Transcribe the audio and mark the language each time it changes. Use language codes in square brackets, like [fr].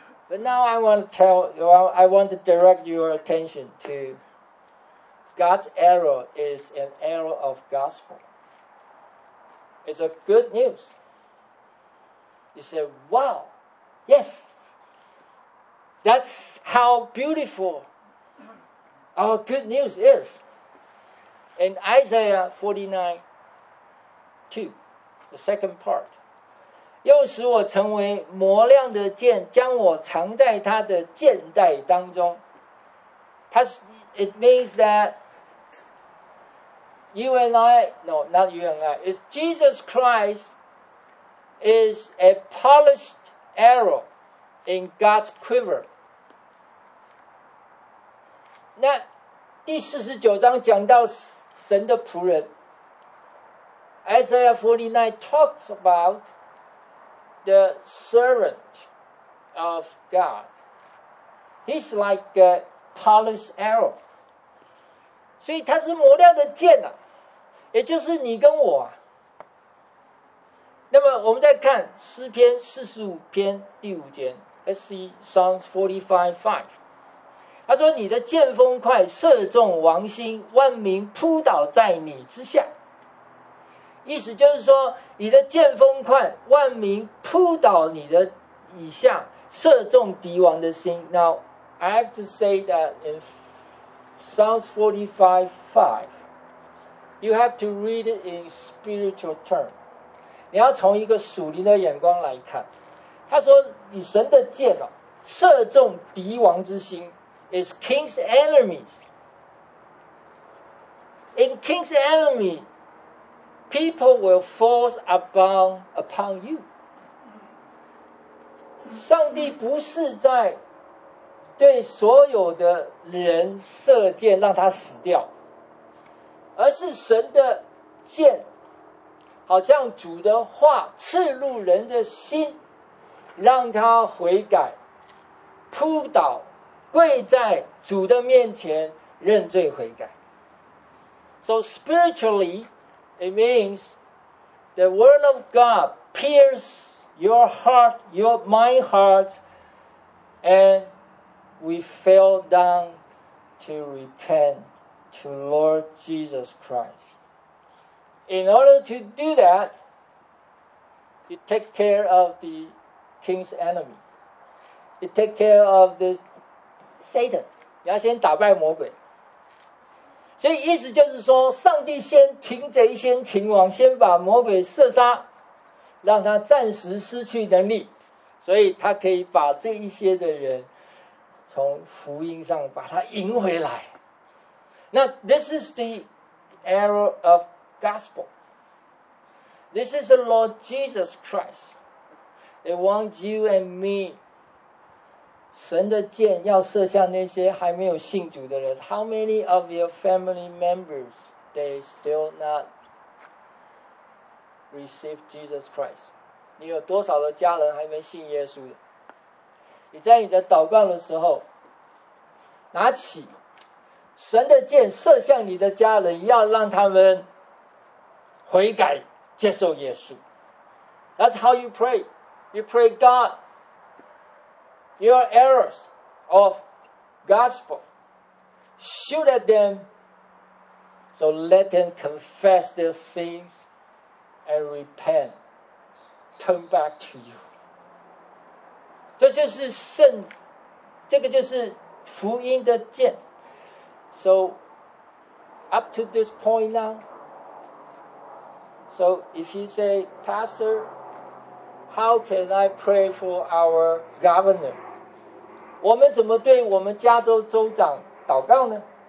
[en] But now I want to direct your attention to God's arrow is an arrow of gospel It's a good news You say wow Yes That's how beautifulOur good news is in Isaiah 49:2, the second part. [zh] 又使我成为磨亮的箭，将我藏在他的箭袋当中。 [en] It means that you and I, no, not you and I, it's Jesus Christ is a polished arrow in God's quiver. [zh] 那第四十九章讲到神的仆人。 [en] Isaiah 49 talks about the servant of God. He's like a polished arrow. [zh] 所以他是磨亮的剑啊，也就是你跟我啊。那么我们再看诗篇四十五篇第五节 ， [en] Let's see Psalms 45:5。 [zh] 他说：“你的剑锋快，射中王心，万民扑倒在你之下。” 意思就是说，你的剑锋快，万民扑倒你的以下，射中敌王的心。 [en] Now I have to say that in Psalms 45:5, you have to read it in spiritual terms. [zh] 你要从一个属灵的眼光来看，他说：“你神的箭哦，射中敌王之心 ， [en] is king's enemies. In king's enemy, people will fall upon you. [zh] 上帝不是在对所有的人射箭让他死掉，而是神的箭。” 好像主的话刺入人的心，让他悔改，扑倒，跪在主的面前认罪悔改。 [en] So spiritually, it means the word of God pierces your heart, your my heart, and we fell down to repent to Lord Jesus Christ. In order to do that, you take care of the king's enemy. You take care of the Satan. [zh] 你要先打败魔鬼。所以意思就是说，上帝先擒贼先擒王，先把魔鬼射杀，让他暂时失去能力，所以他可以把这一些的人从福音上把他赢回来。 [en] 那 this is the error ofGospel. This is the Lord Jesus Christ. They want you and me. [zh] 神的箭要射向那些还没有信主的人。 [en] How many of your family members they still not receive Jesus Christ? [zh] 你有多少的家人还没信耶稣的？你在你的祷告的时候，拿起神的箭射向你的家人，要让他们。悔改接受耶稣 [en] That's how you pray. You pray God. Your arrows of gospel. Shoot at them. So let them confess their sins and repent. Turn back to you. [zh] 这就是圣，这个就是福音的箭。 [en] So up to this point now,So if you say, Pastor, how can I pray for our governor? [zh] 我们怎么对我们加州州长祷告呢？